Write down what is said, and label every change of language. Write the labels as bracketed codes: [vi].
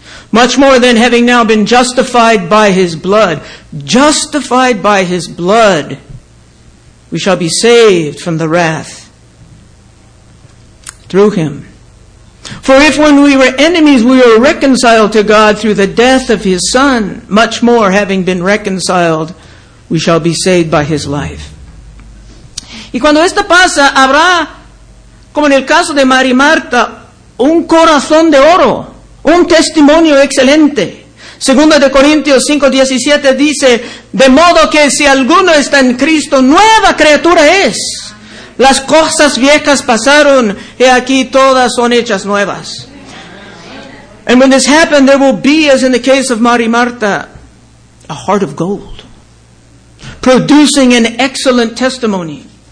[en] Much more than having now been justified by His blood, we shall be saved from the wrath through Him. For if when we were enemies we were reconciled to God through the death of His Son, much more having been reconciled, we shall be saved by His life. [es] Y cuando esto pasa, habrá, como en el caso de María Marta, un corazón de oro, un testimonio excelente. Segunda de Corintios 5:17 dice, de modo que si alguno está en Cristo, nueva criatura es. Las cosas viejas pasaron, y aquí todas son hechas nuevas. [en] And when this happened, there will be, as in the case of Mary Martha, a heart of gold, producing an excellent testimony.